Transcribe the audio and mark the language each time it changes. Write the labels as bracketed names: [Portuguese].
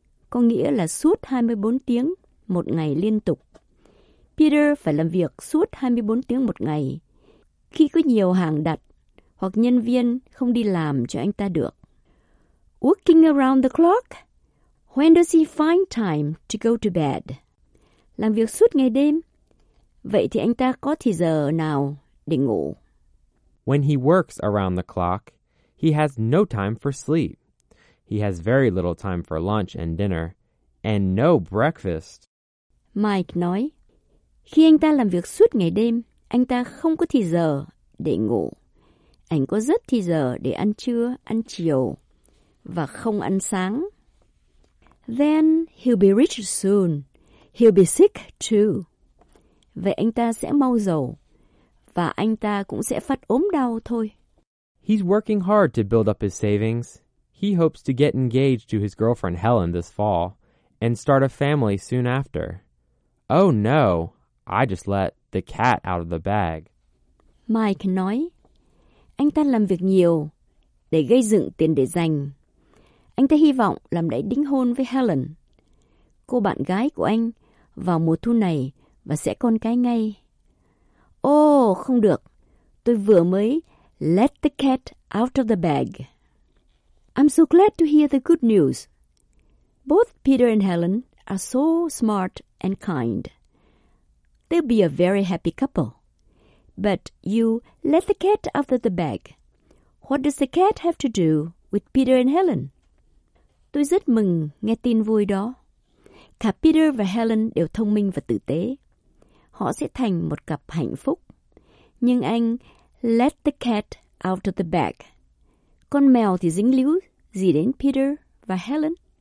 [Vietnamese] có nghĩa là suốt 24 tiếng, một ngày liên tục. Peter phải làm việc suốt 24 tiếng một ngày, khi có nhiều hàng đặt hoặc nhân viên không đi làm cho anh ta được. [English] Working around the clock? When does he find time to go to bed? [Vietnamese] Làm việc suốt ngày đêm. Vậy thì anh ta có thì giờ nào để ngủ? [English] When he works around the clock, he has no time for sleep. He has very little time for lunch and dinner, and no breakfast. [Vietnamese] Mike nói, khi anh ta làm việc suốt ngày đêm, anh ta không có thì giờ để ngủ. Anh có rất thì giờ để ăn trưa, ăn chiều, và không ăn sáng. [English] Then he'll be rich soon. He'll be sick too. [Vietnamese] Vậy anh ta sẽ mau giàu, và anh ta cũng sẽ phát ốm đau thôi. [English] He's working hard to build up his savings. He hopes to get engaged to his girlfriend Helen this fall and start a family soon after. Oh no, I just let the cat out of the bag. [Vietnamese] Mike nói, anh ta làm việc nhiều để gây dựng tiền để dành. Anh ta hy vọng làm lễ đính hôn với Helen, cô bạn gái của anh, vào mùa thu này và sẽ con cái ngay. Oh, không được, tôi vừa mới [English] let the cat out of the bag. I'm so glad to hear the good news. Both Peter and Helen are so smart and kind. They'll be a very happy couple. But you let the cat out of the bag. What does the cat have to do with Peter and Helen? [Vietnamese] Tôi rất mừng nghe tin vui đó. Cả Peter và Helen đều thông minh và tử tế. Họ sẽ thành một cặp hạnh phúc. Nhưng anh [English] let the cat out of the bag. [Vietnamese] Con mèo thì dính líu gì đến Peter và Helen?